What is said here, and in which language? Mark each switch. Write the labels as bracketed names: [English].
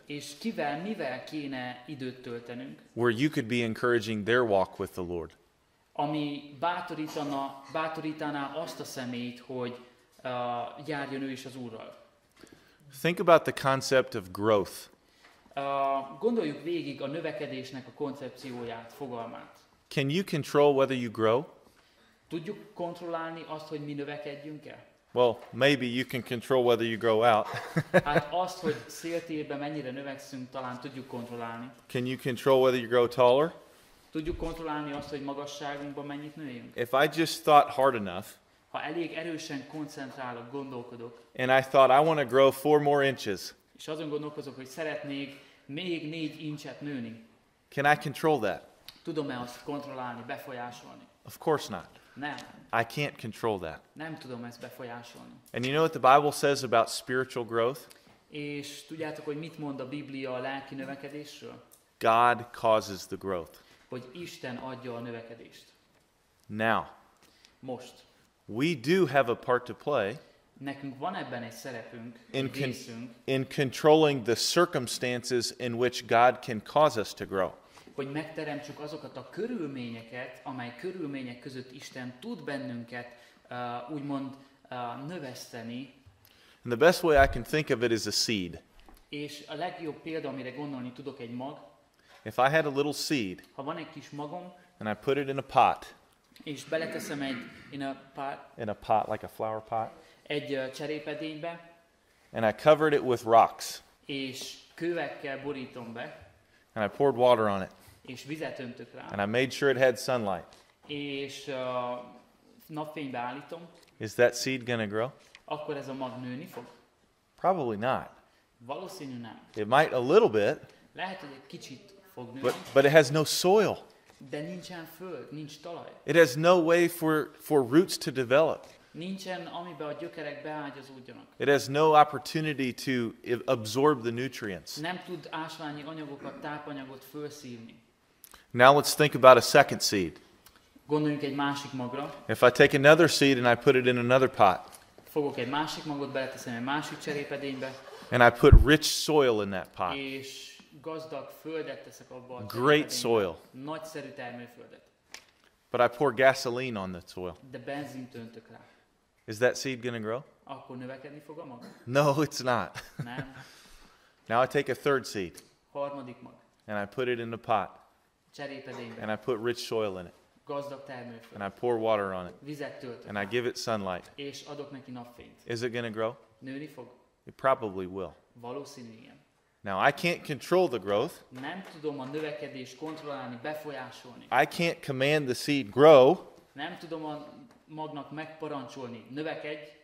[Hungarian] És kivel, mivel kéne időt töltenünk? [English] Where you could be encouraging their walk with the Lord. [Hungarian] Ami bátorítaná azt a szemét, hogy járjon ő is az Úrral. [English] Think about the concept of growth. [Hungarian] Gondoljuk végig a növekedésnek a koncepcióját, fogalmát. [English] Can you control whether you grow? [Hungarian] Tudjuk kontrollálni azt, hogy mi növekedjünk-e? [English] Well, maybe you can control whether you grow out. [Hungarian] Hát azt, hogy széltérben mennyire növekszünk, talán tudjuk kontrollálni. [English] Can you control whether you grow taller? [Hungarian] Tudjuk kontrollálni azt, hogy magasságunkban mennyit nőjünk? [English] If I just thought hard enough, [Hungarian] ha elég erősen koncentrálok, gondolkodok, [English] and I thought I want to grow 4 more inches, [Hungarian] és azon gondolkozok, hogy szeretnék még 4 incset nőni. [English] Can I control that? [Hungarian] Tudom-e azt kontrollálni, befolyásolni? [English] Of course not. [Hungarian] Nem. [English] I can't control that. [Hungarian] Nem tudom ezt befolyásolni. [English] And you know what the Bible says about spiritual growth? [Hungarian] És tudjátok, hogy mit mond a Biblia a lelki növekedésről? [English] God causes the growth. [Hungarian] Hogy Isten adja a növekedést. [English] Now. [Hungarian] Most. [English] We do have a part to play. [Hungarian] Nekünk van ebben egy szerepünk, részünk. [English] In controlling the circumstances in which God can cause us to grow. [Hungarian] Hogy megteremtsük azokat a körülményeket, amely körülmények között Isten tud bennünket úgymond növeszteni. [English] And the best way I can think of it is a seed. [Hungarian] És a legjobb példa, amire gondolni tudok, egy mag. [English] If I had a little seed, [Hungarian] ha van egy kis magom, [English] and I put it in a pot, [Hungarian] és beleteszem egy [English] in a pot, like a flower pot, [Hungarian] egy cserépedénybe, [English] and I covered it with rocks, [Hungarian] és kövekkel borítom be, [English] and I poured water on it, [Hungarian] és vizet öntök rá, [English] and I made sure it had sunlight, [Hungarian] és napfénybe állítom, [English] is that seed gonna grow? [Hungarian] Akkor ez a mag nőni fog? [English] Probably not. [Hungarian] Valószínű nem. [English] It might a little bit, [Hungarian] lehet, hogy egy kicsit fog nőni, [English] but it has no soil. [Hungarian] De nincsen föld, nincs talaj. [English] It has no way for roots to develop. [Hungarian] Nincsen, amiben a gyökerek beágyazódjanak. [English] It has no opportunity to absorb the nutrients. [Hungarian] Nem tud ásványi anyagokat, tápanyagot felszívni. [English] Now let's think about a second seed. [Hungarian] Gondoljunk egy másik magra. [English] If I take another seed and I put it in another pot. [Hungarian] Fogok egy másik magot, beleteszem egy másik cserépedénybe. [English] And I put rich soil in that pot. [Hungarian] És gazdag földet teszek abba a cserépedénybe. [English] Great soil. [Hungarian] Nagyszerű termőföldet. [English] But I pour gasoline on the soil. [Hungarian] De benzint öntök rá. [English] Is that seed going to grow? [Hungarian] Akkor növekedni fog a mag? [English] No, it's not. [Hungarian] Nem. [English] Now I take a third seed. [Hungarian] Harmadik mag. [English] And I put it in the pot. [Hungarian] Cserépedénybe. [English] And I put rich soil in it. [Hungarian] Gazdag termőföld. [English] And I pour water on it. [Hungarian] Vizet töltök. [English] And I give it sunlight. [Hungarian] És adok neki napfényt. [English] Is it going to grow? [Hungarian] Nőni fog. [English] It probably will. [Hungarian] Valószínű, igen. [English] Now I can't control the growth. [Hungarian] Nem tudom a növekedést kontrollálni, befolyásolni. [English] I can't command the seed grow. [Hungarian] Nem tudom a magnak megparancsolni, növekedj.